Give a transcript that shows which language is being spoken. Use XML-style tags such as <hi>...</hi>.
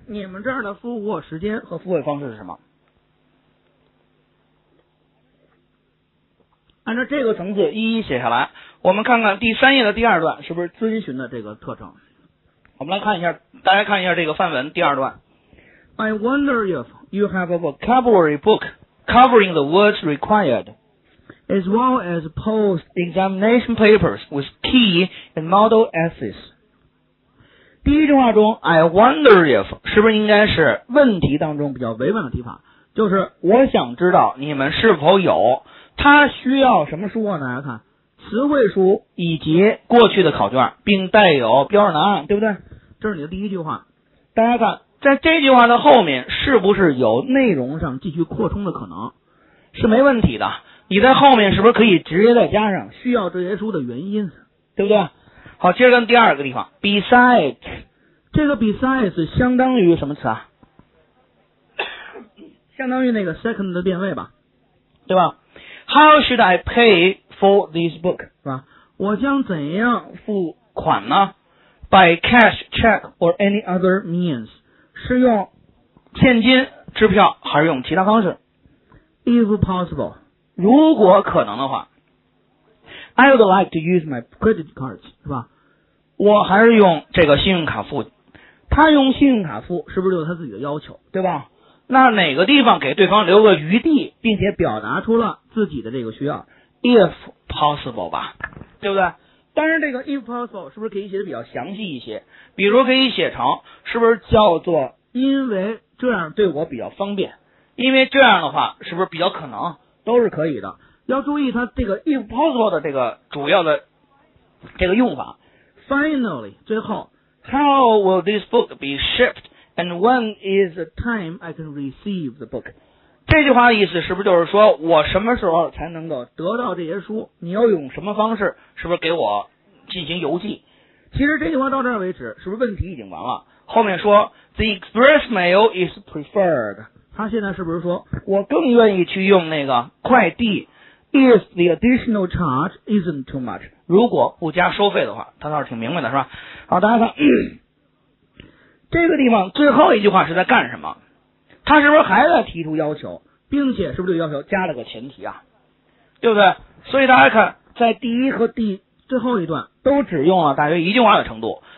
<zh>你们这儿的付货时间和付费方式是什么？按照这个程序一一写下来，我们看看第三页的第二段是不是遵循的这个特征。我们来看一下，大家看一下这个范文第二段。</zh> <en>I wonder if you have a vocabulary book covering the words required, as well as post-examination papers with key and model essays.</en> <zh>第一句话中 ，</zh> <en>I wonder if</en> <zh>是不是应该是问题当中比较委婉的提法？就是我想知道你们是否有。他需要什么书啊？大家看，词汇书以及过去的考卷，并带有标准答案，对不对？这是你的第一句话。大家看，在这句话的后面，是不是有内容上继续扩充的可能？是没问题的。你在后面是不是可以直接再加上需要这些书的原因，对不对？好，接着看第二个地方 ，besides，这个 besides 相当于什么词啊？相当于那个 second 的变位吧，对吧？</zh> <en>How should I pay for this book?</en> <zh>是吧？我将怎样付款呢？</zh> <en>By cash, check, or any other means.</en> <zh>是用现金、支票，还是用其他方式？</zh> <en>If possible.</en> <zh>如果可能的话。</zh> <en>I would like to use my credit cards.</en> <zh>是吧？我还是用这个信用卡付。他用信用卡付，是不是有他自己的要求？对吧？那哪个地方给对方留个余地，并且表达出了自己的这个需要，</zh> <en>if possible</en> <zh>吧，对不对？但是这个</zh> <en>if possible</en> <zh>是不是可以写的比较详细一些？比如可以写成是不是叫做因为这样对我比较方便，因为这样的话是不是比较可能，都是可以的。要注意它这个</zh> <en>if possible</en> <zh>的这个主要的这个用法。 Finally， 最后</zh> <en>，How will this book be shipped？ And when is the time I can receive the book?</en> <zh>这句话的意思是不是就是说我什么时候才能够得到这些书？你要用什么方式是不是给我进行邮寄？其实这句话到这儿为止，是不是问题已经完了？后面说</zh> <en>The express mail is preferred.</en> <zh>他现在是不是说我更愿意去用那个快递？</zh> <en>If the additional charge isn't too much.</en> <zh>如果不加收费的话，他倒是挺明白的，是吧？好，大家看。这个地方最后一句话是在干什么？他是不是还在提出要求，并且是不是对要求加了个前提啊？对不对？所以大家看，在第一和第最后一段都只用了大约一句话的程度。</zh>